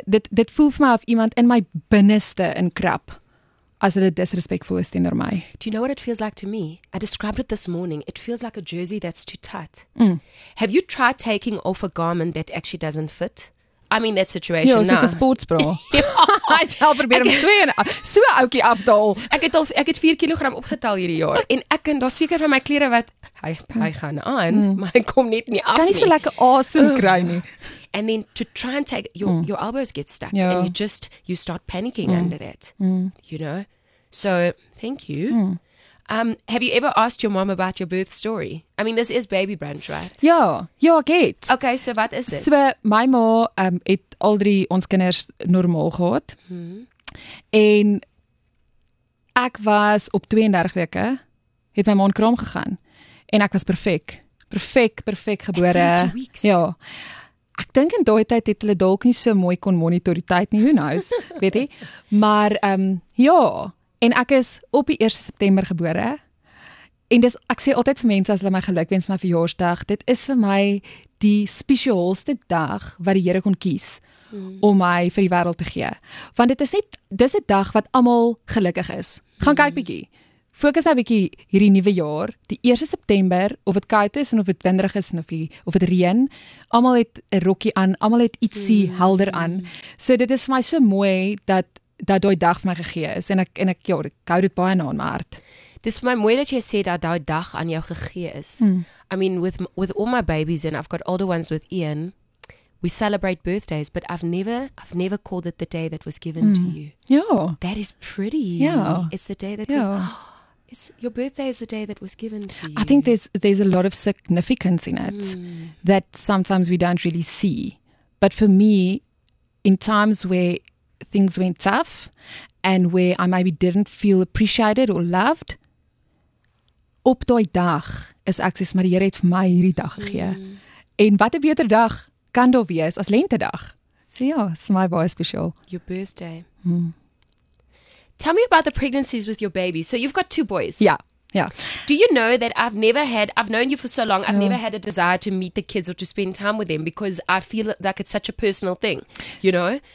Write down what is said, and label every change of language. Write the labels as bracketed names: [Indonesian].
[Afrikaans] Dit voel vir my of iemand in my binneste inkrap, as hulle disrespekvol is teenoor my. [English] Do you know what it feels like to me? I described it this morning. It feels like a jersey that's too tight. Have you tried taking off a garment that actually doesn't fit? I mean that situation. [Afrikaans] Ja, dis 'n sports bra. Ek het al probeer om so oukie af te haal. Ek het 4 kg opgetel hierdie jaar en ek en daar seker van my klere wat hy gaan aan, maar hy kom net nie af nie. Kan nie so lekker asem kry nie. [English] And then to try and take your elbows get stuck and you start panicking under that. You know? So, thank you. Have you ever asked your mom about your birth story? I mean, this is Baby Brunch, right? [Afrikaans] Ja, ek het. Okay, so wat is dit? So, my ma het al drie ons kinders normaal gehad. En ek was op 32 weke, het my ma in kraam gegaan. En ek was perfek. Perfek gebore. Ja. Ek dink in daai tyd het hulle dalk nie so mooi kon monitor die tyd nie. [English] Who knows? [Afrikaans] Weet jy? Maar, En ek is op die 1 September gebore. En dis ek sê altyd vir mense as hulle my gelukwens my verjaarsdag, dit is vir my die spesiaalste dag wat die Here kon kies om my vir die wêreld te gee. Want dit is net dis 'n dag wat almal gelukkig is. Gaan kyk bietjie. Fokus nou bietjie hierdie nuwe jaar, die 1 September, of dit koud is en of dit winderig is en of dit reën, almal het 'n rokkie aan, almal het ietsie helder aan. So dit is vir my so mooi dat dat die dag vir my gegee is. En ek hou dit baie na in my hart. Dis vir my mooi dat jy sê dat die dag aan jou gegee is. [English] Mm. I mean, with all my babies and I've got older ones with Ian, we celebrate birthdays, but I've never called it the day that was given to you. Yeah. That is pretty. Yeah. It's the day that was your birthday is the day that was given to you. I think there's a lot of significance in it that sometimes we don't really see. But for me, in times where things went tough and where I maybe didn't feel appreciated or loved, [Afrikaans] op daai dag is ek soos, maar die Here het vir my hierdie dag gegee. En wat 'n beter dag kan daar wees as lentedag? So ja, [English] it's my boy special. Your birthday. Mm. Tell me about the pregnancies with your baby. So you've got two boys. Yeah. Yeah. Do you know that I've known you for so long, I've never had a desire to meet the kids or to spend time with them because I feel like it's such a personal thing, you know?